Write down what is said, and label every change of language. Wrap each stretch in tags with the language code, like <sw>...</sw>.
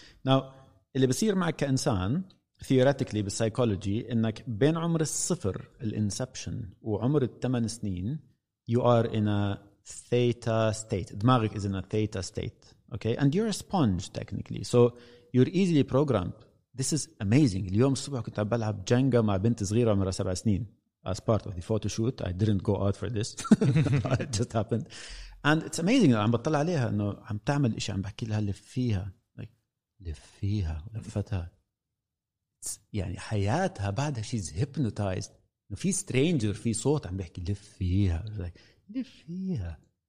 <en>now</en> <ar>اللي بصير معك كانسان</ar> <en>theoretically</en> <ar>بالسايكولوجي انك بين عمر الصفر الانسبشن وعمر الثمان سنين</ar> <en>you are in a theta state</en> <ar>دماغك</ar> <en>is in a theta state Okay, and you're a sponge technically, so you're easily programmed. This is amazing.</en> <ar>اليوم الصبح كنت بلعب جنجا مع بنت صغيرة عمرها سبع سنين.</ar> <en>As part of the photo shoot, I didn't go out for this. It just happened, and it's amazing.</en> <ar>عم بطلع عليها إنه عم تعمل إشي عم بحكي لها لف فيها, like لف فيها لفتها. يعني حياتها بعدها</ar> <en>she's hypnotized.</en> <ar>في stranger في صوت عم بحكي لف فيها, like لف فيها.</ar>